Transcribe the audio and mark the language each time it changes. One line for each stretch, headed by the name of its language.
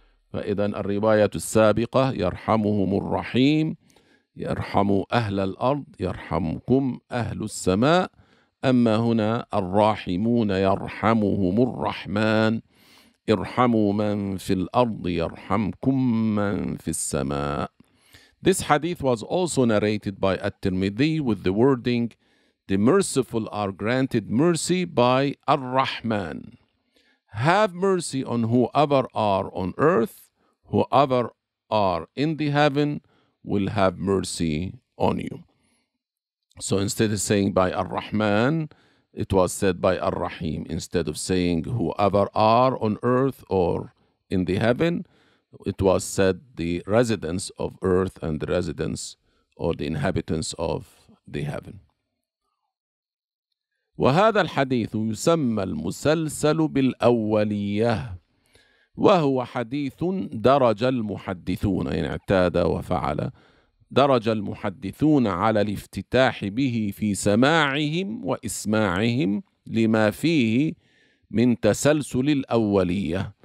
Arabic: فإذا الرواية السابقة يرحمهم الرحيم، يرحموا أهل الأرض، يرحمكم أهل السماء. أما هنا الراحمون يرحمهم الرحمن ارحموا من في الأرض يرحمكم من في السماء.
English: This hadith was also narrated by At-Tirmidhi with the wording, the merciful are granted mercy by Ar-Rahman. Have mercy on whoever are on earth, whoever are in the heaven will have mercy on you. So instead of saying by Ar-Rahman, it was said by Ar-Rahim. Instead of saying whoever are on earth or in the heaven, it was said the residents of earth and the residents or the inhabitants of the heaven.
Arabic: وهذا الحديث يسمى المسلسل بالأولية، وهو حديث درج المحدثون، يعني اعتاد وفعل، درج المحدثون على الافتتاح به في سماعهم وإسماعهم لما فيه من تسلسل الأولية.